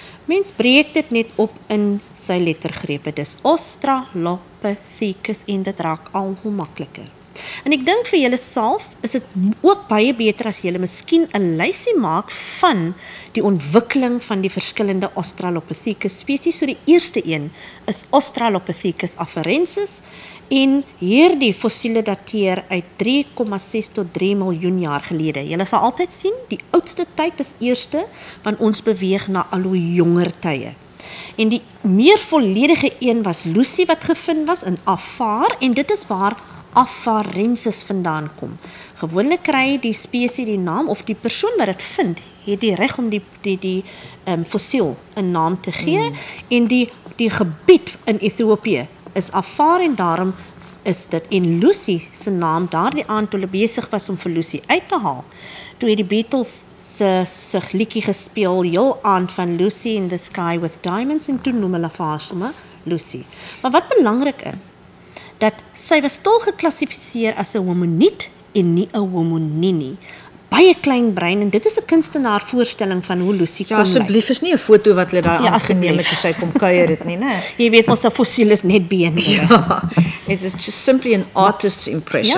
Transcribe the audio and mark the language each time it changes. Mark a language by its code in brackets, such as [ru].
[af] Mens breek dit net op in sy lettergrepe, dis Australopithecus en dit raak al hoe makliker. En ek dink vir julle self is dit ook baie beter as julle miskien 'n lysie maak van die ontwikkeling van die verskillende Australopithecus spesies. So die eerste een is Australopithecus afarensis en hierdie fossiele dateer uit 3,6 tot 3 miljoen jaar gelede. Julle sal altyd sien die oudste tyd is eerste want ons beweeg na al hoe jonger tye. En die meer volledige een was Lucy wat gevind was in Afar en dit is waar afarensis vandaan kom. Gewoonlik kry die spesie die naam of die persoon wat dit vind, het die reg om die fossiel 'n naam te gee en die gebied in Ethiopië is afar en daarom is dit en Lucy se naam daardie aand toe hulle besig was om vir Lucy uit te haal. Toe het die Beatles se liedjie gespeel heel aand van Lucy in the Sky with Diamonds en toe noem hulle afar sommer Lucy. Maar wat belangrik is dat sy was tol geklassifiseer as 'n hominid en nie 'n hominini. Baie klein brein en dit is 'n kunstenaar voorstelling van hoe Lucy kon lyk. Asseblief is nie 'n foto wat hulle daar aangeneem het as sy kom kuier het nie, né? Jy weet ons 'n fossiel is net been. [en] Ja, it is just simply an artist's impression.